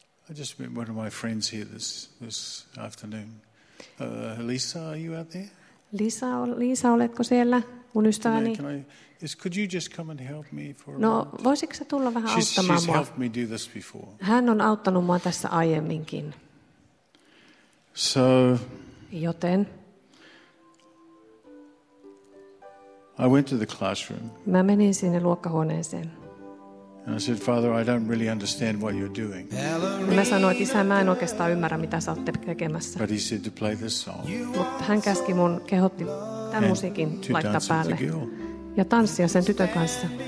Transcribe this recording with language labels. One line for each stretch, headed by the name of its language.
English: I just met one of my friends here this afternoon. Lisa, are you out there?
Finnish: Lisa, oletko siellä? Mun ystäväni.
English: Could you just come and help me for a moment?
Finnish: No, voisitko sä tulla vähän auttamaan mua?
English: She's helped me do this before.
Finnish: Hän on auttanut mua tässä aiemminkin.
English: So.
Finnish: Joten.
English: I went to the classroom.
Finnish: Mä menin sinne luokkahuoneeseen.
English: And I said, Father, I don't really understand what you're doing.
Finnish: Mä sanoin, että isä, mä en oikeastaan ymmärrä, mitä sä oot tekemässä.
English: But he said to play this song.
Finnish: Mut hän käski mun, kehotti tämän musiikin laittaa päälle. Ja tanssia sen tytön kanssa.